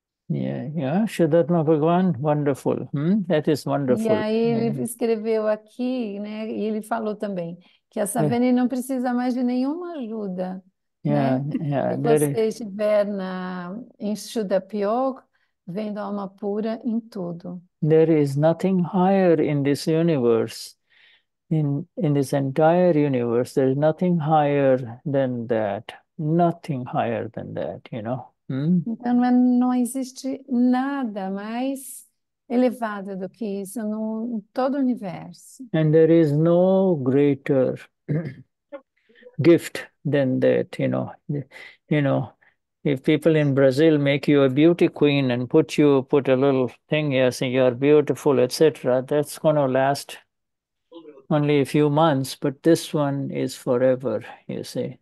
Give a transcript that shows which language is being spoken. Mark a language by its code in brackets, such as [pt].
[en] Shuddhatma Bhagavan, wonderful. That is wonderful. [pt] E aí ele escreveu aqui, né, e ele falou também, que a Saveni não precisa mais de nenhuma ajuda, né? Se você estiver em Shuddha Pyog, vendo a alma pura em tudo. [en] There is nothing higher in this universe, in this entire universe, there is nothing higher than that. Nothing higher than that, you know. [pt] Então não existe nada mais elevado do que isso no todo o universo. [en] And there is no greater gift than that, you know. You know, If people in Brazil make you a beauty queen and put a little thing, yes, and you're beautiful, etc., that's going to last only a few months, but this one is forever, you see.